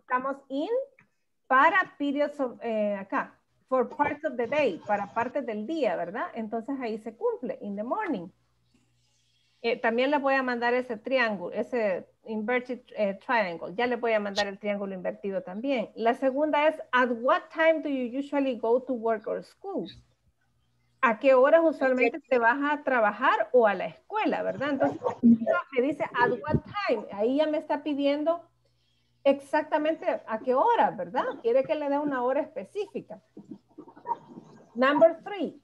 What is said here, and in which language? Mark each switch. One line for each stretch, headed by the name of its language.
Spanish: Estamos in para periods of, acá,
English: for parts of the day,
Spanish: para partes del día, ¿verdad? Entonces, ahí se cumple,
English: in the morning.
Spanish: También les voy a mandar ese triángulo, ese
English: inverted triangle.
Spanish: Ya le voy a mandar el triángulo invertido también. La segunda es,
English: at what time do you usually go to work or school?
Spanish: ¿A qué horas usualmente te vas a trabajar o a la escuela, verdad? Entonces, me dice,
English: at what time.
Spanish: Ahí ya me está pidiendo exactamente a qué hora, ¿verdad? Quiere que le dé una hora específica.
English: Number three.